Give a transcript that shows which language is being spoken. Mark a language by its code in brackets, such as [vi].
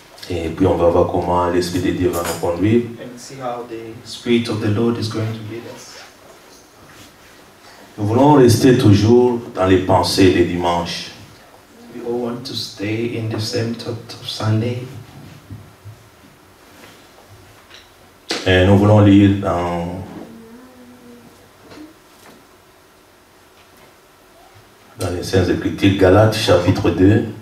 [fr] Et puis on va voir comment l'Esprit de Dieu va nous conduire. [en] And see how the Spirit of the Lord is going to lead us. [fr] Nous voulons rester toujours dans les pensées des dimanches. [en] We all want to stay in the same thought of Sunday. [fr] Et nous voulons lire dans les Saintes Écritures, Galates chapitre 2.